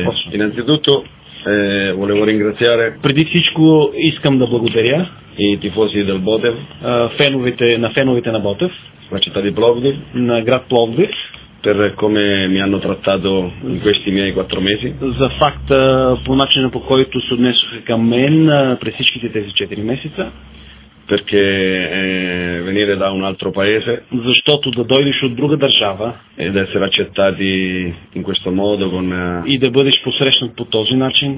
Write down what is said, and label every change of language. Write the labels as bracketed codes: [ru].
[it] Innanzitutto volevo ringraziare [bg] преди всичко искам да благодаря [it] и тифози del Botev, [bg] феновете на Botev, [it] la città di Plovdiv, [bg] на град Пловдив, [it] per come mi hanno trattato in questi miei 4 mesi. [bg] За факт по начина по който се отнесоха към мен през всичките тези 4 месеца. [it] Perché venire da un altro paese [bg] защото да дойдеш от друга държава [it] ed essere accettati in questo modo con [bg] и да бъдеш посрещнат по този начин